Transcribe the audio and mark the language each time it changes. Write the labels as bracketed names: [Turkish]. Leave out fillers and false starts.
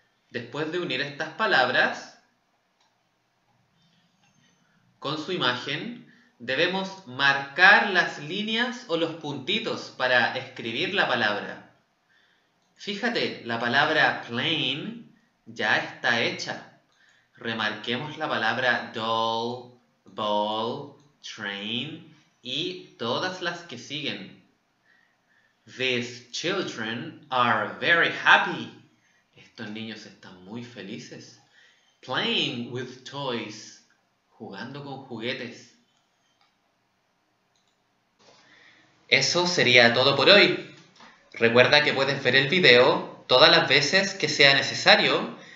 [Spanish] Después de unir estas palabras con su imagen, debemos marcar las líneas o los puntitos para escribir la palabra. Fíjate, la palabra plane ya está hecha. Remarquemos la palabra doll, ball, train y todas las que siguen. [English] These children are very happy. [Spanish] Estos niños están muy felices. [English] Playing with toys. [Spanish] Jugando con juguetes. Eso sería todo por hoy. Recuerda que puedes ver el video todas las veces que sea necesario.